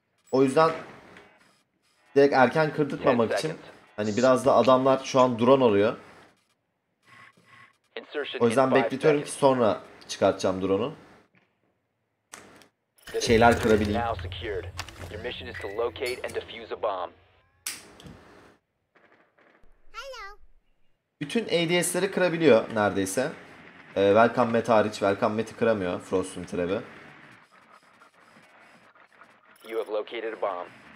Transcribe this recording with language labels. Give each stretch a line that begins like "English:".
Turkish: O yüzden direkt erken kırdırtmamak için hani biraz da adamlar şu an drone alıyor. O yüzden bekletiyorum ki sonra çıkartacağım drone'u. Şeyler kırabileyim.
English: Your mission is to locate and defuse a bomb.
Turkish: Bütün ADS'leri kırabiliyor neredeyse. Welcome Met hariç. Welcome Met'i kıramıyor Frost'un trap'i.
English: You have located a bomb.